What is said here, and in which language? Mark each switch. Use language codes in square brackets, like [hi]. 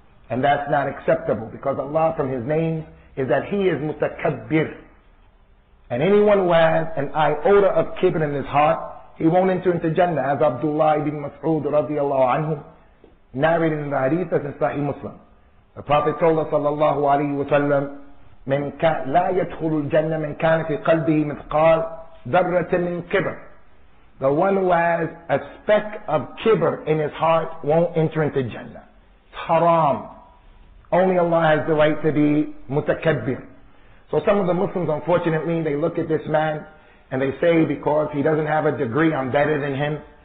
[en] And that's not acceptable, because Allah from his name is that he is mutakabbir. And anyone who has an iota of kibr in his heart, he won't enter into Jannah, as Abdullah ibn Mas'ud radiallahu anhu narrated in the hadith as in Sahih Muslim. The Prophet told us, sallallahu alayhi wa sallam, [ar] من كان لا يدخل الجنة من كان في قلبه مثقال ذرة من كبر. [en] The one who has a speck of kibr in his heart won't enter into Jannah. It's haram. Only Allah has the right to be mutakabbir. So some of the Muslims, unfortunately, they look at this man and they say, because he doesn't have a degree, I'm better than him.